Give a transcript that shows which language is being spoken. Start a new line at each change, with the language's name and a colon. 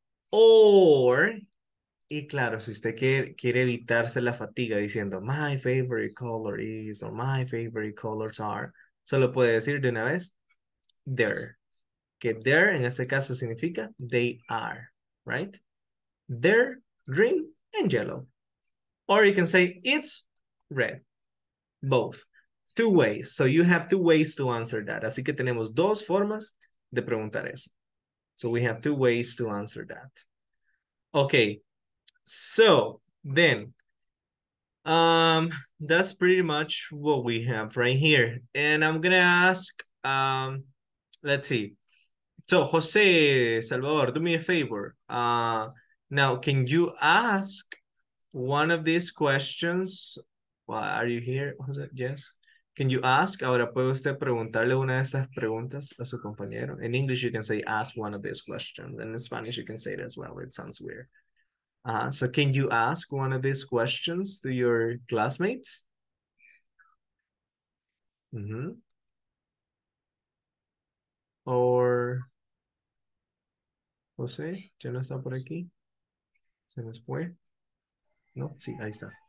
Spanish: Or, y claro, si usted quiere evitarse la fatiga diciendo
English: my favorite color is or my favorite colors are,
Spanish: solo puede decir de una vez they're. Que they're en este caso significa
English: they are, right? They're green and yellow. Or you can say it's red. Both. Two ways. So you have two ways to answer that.
Spanish: Así que tenemos dos formas de preguntar eso.
English: So we have two ways to answer that. Okay. So then, that's pretty much what we have right here. And I'm going to ask, let's see. So Jose Salvador, do me a favor. Now, can you ask one of these questions? Why are you here, Jose? Yes. Can you ask?
Spanish: Ahora puede usted preguntarle una de estas preguntas a su compañero.
English: In English, you can say, ask one of these questions. And in Spanish, you can say it as well. It sounds weird. So can you ask one of these questions to your classmates? Mm-hmm.
Spanish: Or Jose, ¿ya no está por aquí? ¿Se nos fue? No, sí, ahí está.